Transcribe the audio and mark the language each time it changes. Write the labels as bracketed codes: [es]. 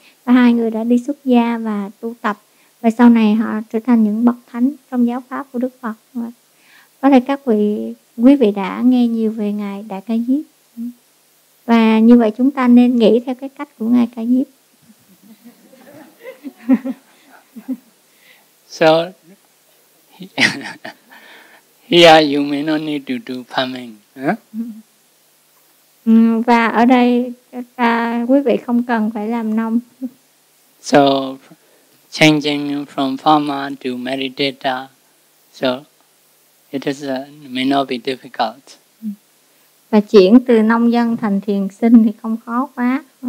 [vi] Và hai người đã đi xuất gia và tu tập, và sau này họ trở thành những bậc thánh trong giáo pháp của Đức Phật. Có thể các vị, quý vị đã nghe nhiều về ngài Đại Ca Diếp. Và như vậy chúng ta nên nghĩ theo cái cách của ngài Ca Diếp. [en] So here you may not need to do farming. [vi] Và ở đây ta, quý vị không cần phải làm nông. [en] So changing from farmer to meditator, so it is may not be difficult. [vi] Và chuyển từ nông dân thành thiền sinh thì không khó quá.